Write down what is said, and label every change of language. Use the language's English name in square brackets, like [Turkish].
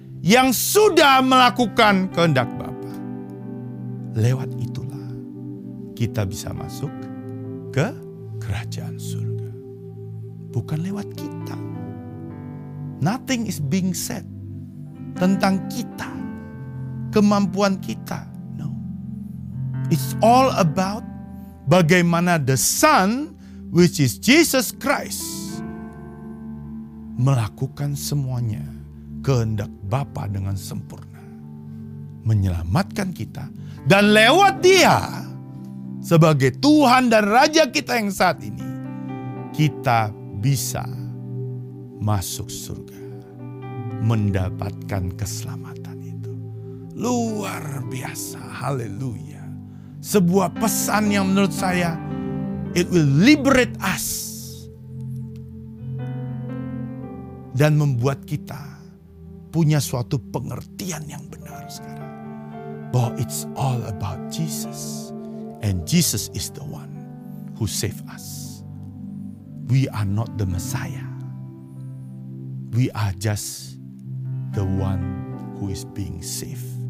[Indonesian] Yang sudah melakukan kehendak Bapa. Lewat itulah kita bisa masuk ke kerajaan surga. Bukan lewat kita. [English] Nothing is being said [Indonesian] tentang kita. Kemampuan kita. No. [English] It's all about [Indonesian] bagaimana [English] the Son, which is Jesus Christ, [Indonesian] melakukan semuanya kehendak Bapa dengan sempurna, menyelamatkan kita, dan lewat Dia sebagai Tuhan dan Raja kita yang saat ini, kita bisa masuk surga, mendapatkan keselamatan itu. Luar biasa, haleluya. Sebuah pesan yang menurut saya, [English] it will liberate us. [Indonesian] Dan membuat kita punya suatu pengertian yang benar sekarang. [English] Bahwa it's all about Jesus. And Jesus is the one who saved us. we are not the Messiah. We are just the one who is being saved.